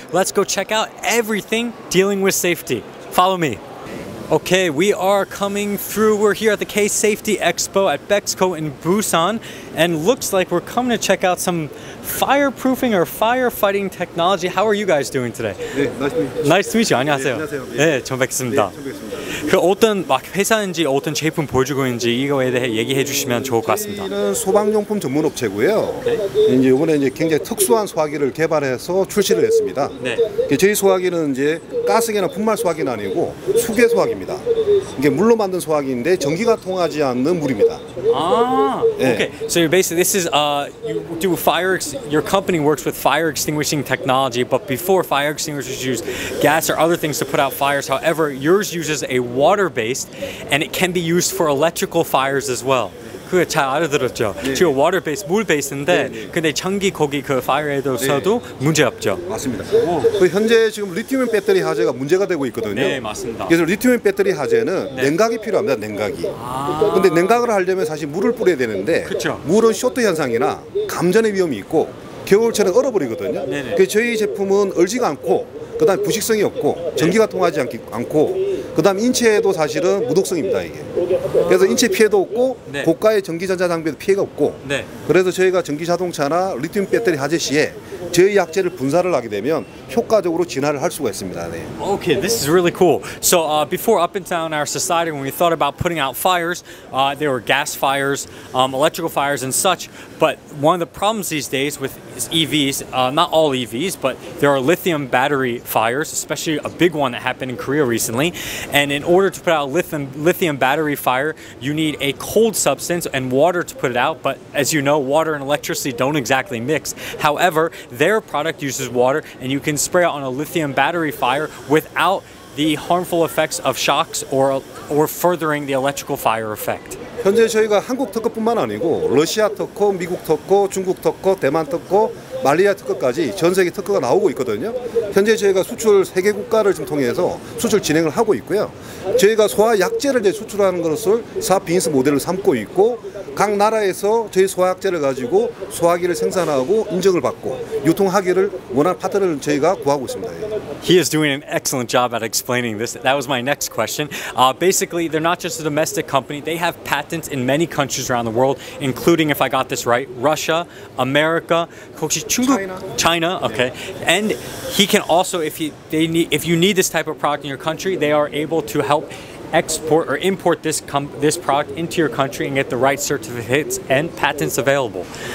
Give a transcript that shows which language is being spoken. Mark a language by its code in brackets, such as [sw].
[en] Let's go check out everything dealing with safety. Follow me. Okay, we are coming through. We're here at the K Safety Expo at BEXCO in Busan and looks like we're coming to check out some fireproofing or firefighting technology. How are you guys doing today? 네, nice to meet you. Nice to meet you. [ko] 안녕하세요. 네, 처음 뵙겠습니다. 그 어떤 막 회사인지 어떤 제품 보여주고 있는지 이거에 대해 얘기해 주시면 좋을 것 같습니다. 저희는 소방용품 전문 업체고요. 네. 이제 이번에 이제 굉장히 특수한 소화기를 개발해서 출시를 했습니다. 네. 저희 소화기는 이제 가스기나 분말 소화기는 아니고 수계 소화기입니다. 이게 물로 만든 소화기인데 전기가 통하지 않는 물입니다. 아, 네. Okay. [en] So basically, this is you do fire. Your company works with fire extinguishing technology, but before fire extinguishers use gas or other things to put out fires. However, yours uses a water-based, and it can be used for electrical fires as well. [ko] 그게 잘 알아들었죠. 지금 네. 워터베이스, 물베이스인데 네. 근데 전기 거기 그 파이어에도서도 네. 문제 없죠. 맞습니다. 그 현재 지금 리튬 배터리 화재가 문제가 되고 있거든요. 네, 맞습니다. 그래서 리튬 배터리 화재는 네. 냉각이 필요합니다. 냉각이. 아. 근데 냉각을 하려면 사실 물을 뿌려야 되는데 그쵸. 물은 쇼트 현상이나 감전의 위험이 있고 겨울철에 얼어버리거든요. 네네. 그래서 저희 제품은 얼지가 않고 그다음에 부식성이 없고 전기가 네. 통하지 않고 그다음 인체에도 사실은 무독성입니다 이게. 그래서 인체 피해도 없고 네. 고가의 전기전자 장비도 피해가 없고 네. 그래서 저희가 전기자동차나 리튬 배터리 화재 시에 저희 약제를 분사를 하게 되면 효과적으로 진화를 할 수가 있습니다. 네. [en] Okay, this is really cool. So before up and down our society, when we thought about putting out fires, there were gas fires, electrical fires and such. But one of the problems these days with EVs, not all EVs, but there are lithium battery fires, especially a big one that happened in Korea recently. And in order to put out a lithium battery fire, you need a cold substance and water to put it out. But as you know, water and electricity don't exactly mix. However, their product uses water and you can spray it on a lithium battery fire without the harmful effects of shocks or furthering the electrical fire effect. [ko] 현재 저희가 한국 특허뿐만 아니고 러시아 특허, 미국 특허, 중국 특허, 대만 특허, 말레이시아 특허까지 전 세계 특허가 나오고 있거든요. 현재 저희가 수출 3개 국가를 좀 통해서 수출 진행을 하고 있고요. 저희가 소화약제를 이제 수출하는 것을 사업 비즈니스 모델을 삼고 있고 각 나라에서 저희 소화약제를 가지고 소화기를 생산하고 인증을 받고 유통하기를 원하는 파트너를 저희가 구하고 있습니다. [en] He is doing an excellent job at explaining this. That was my next question. Basically, they're not just a domestic company. They have patents in many countries around the world, including, if I got this right, Russia, America, China. Okay. And he can also, if you need this type of product in your country, they are able to help export or import this product into your country and get the right certificates and patents available.